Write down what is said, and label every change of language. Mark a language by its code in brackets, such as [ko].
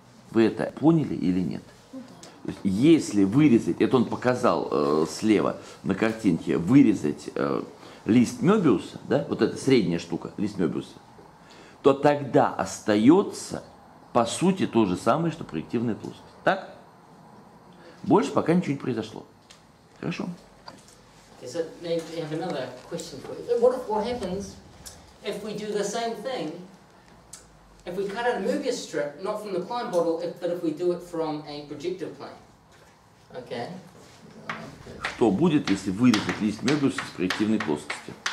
[ru] Вы это поняли или нет? Если вырезать, это он показал слева на картинке, вырезать лист Мёбиуса, да, вот эта средняя штука, лист Мёбиуса, то тогда остается по сути, то же самое, что проективная плоскость. Так? Больше пока ничего не произошло. Хорошо. [en] Okay, so maybe we have another question for you. What happens if we do the same thing, if we cut out a Möbius strip, not from the climb bottle, but if we do it from a projective plane? Okay. [ru] Что будет, если вырезать лист Мёбиуса из проективной плоскости?